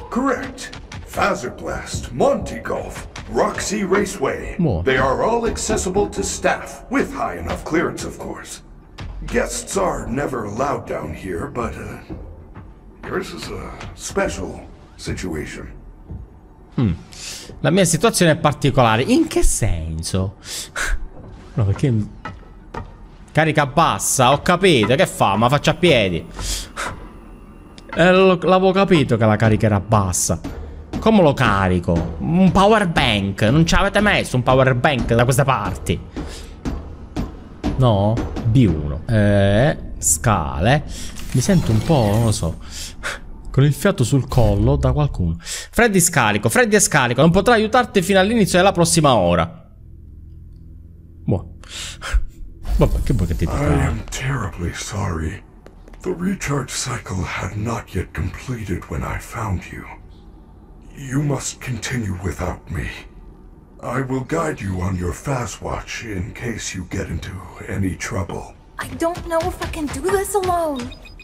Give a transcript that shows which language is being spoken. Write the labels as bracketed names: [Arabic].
[English] Correct. Phazerblast, Monty Golf, Roxy Raceway. More. They are all accessible to staff, with high enough clearance, of course. Guests are never allowed down here, but yours is a special situation. Hmm. [Italian] La mia situazione è particolare. In che senso? No, perché... Carica bassa, ho capito. Che fa? Ma faccia a piedi. L'avevo capito che la carica era bassa. Come lo carico? Un power bank. Non ci avete messo un power bank da queste parti? No? B1. Scale. Mi sento un po', non lo so, con il fiato sul collo da qualcuno. Freddy scarico, Freddy è scarico. Non potrà aiutarti fino all'inizio della prossima ora. Boh. Vabbè, che vuoi che ti dica? [English] I am terribly sorry. The recharge cycle had not yet completed when I found you. You must continue without me. I will guide you on your fast watch in case you get into any trouble. I don't know if I can do this alone.